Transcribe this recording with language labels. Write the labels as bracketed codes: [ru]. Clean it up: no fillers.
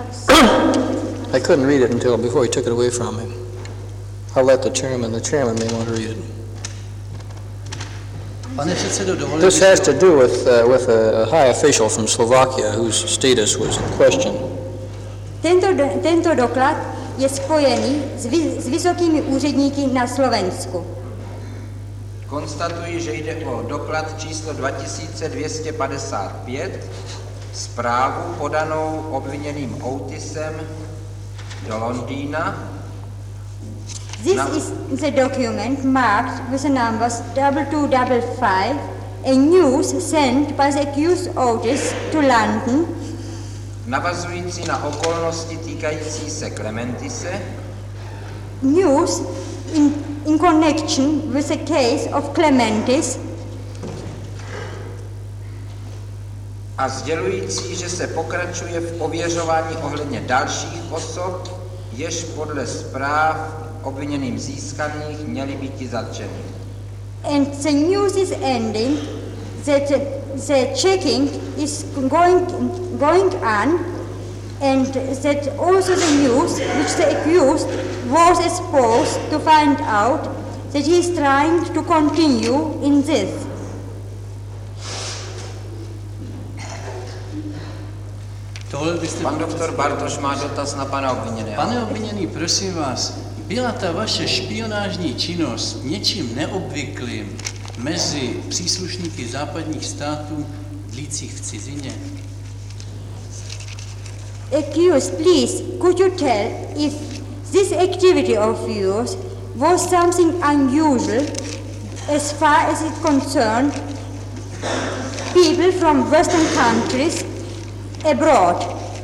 [en] I couldn't read it until before he took it away from me. I'll let the chairman may want to read it. This has to do with a high official from Slovakia whose status was in question. [cs] Tento doklad je spojený s vysokými úředníky na Slovensku. Konstatuji, že jde o doklad číslo 2255, zprávu podanou obviněným Otisem do Londýna. [en] This is the document marked with the numbers 2255, a news sent by the accused Otis to London. [cs] Navazující na okolnosti týkající se Clementise. [en] News in connection with the case of Clementis. [cs] A sdělující, že se pokračuje v ověřování ohledně dalších osob, jež podle zpráv obviněným získaných měly být zatčeny. [en] And the news is ending that the checking is going on and that also the news which the accused was exposed to find out that he is trying to continue in this. [cs] Pan doktor Bartoš má dotaz na pana obviněného. Pane obviněný, prosím vás, byla ta vaše špionážní činnost něčím neobvyklým, mezi příslušníky západních států dlících v cizině? [en] Accused, please, could you tell if this activity of yours was something unusual as far as it concerned people from Western countries abroad?